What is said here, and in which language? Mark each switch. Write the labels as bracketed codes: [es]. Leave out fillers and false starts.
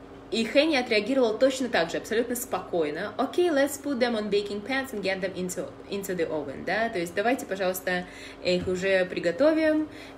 [ru] И Хенни отреагировала точно так же, абсолютно спокойно. [en] Okay, let's put them on baking pans and get them into the oven. [ru] Да? То есть давайте, пожалуйста, их уже приготовим.